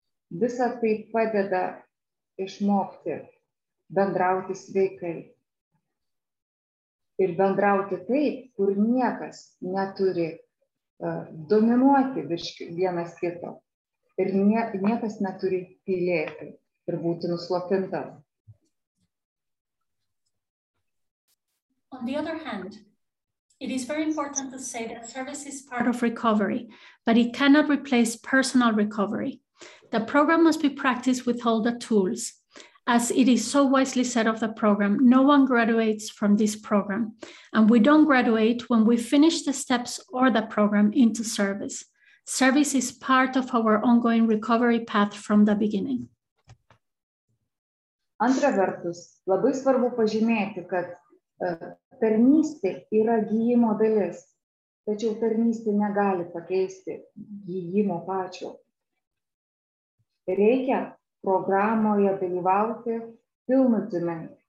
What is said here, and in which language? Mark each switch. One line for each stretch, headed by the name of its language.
Lithuanian: Visa tai padeda išmokti bendrauti sveikai. Ir bendrauti taip, kur niekas neturi dominuoti virš vienas kito. Ir niekas neturi tylėti ir būti nuslopintas.
English: On the other hand, it is very important to say that service is part of recovery, but it cannot replace personal recovery. The program must be practiced with all the tools. As it is so wisely said of the program, no one graduates from this program, and we don't graduate when we finish the steps or the program into service. Service is part of our ongoing recovery path from the beginning.
Lithuanian: Antra vertus, labai svarbu pažymėti, kad tarnystė yra gyjimo dalis, tačiau tarnystė negali pakeisti gyjimo pačio. Reikia programoje dalyvauti pilnutinai.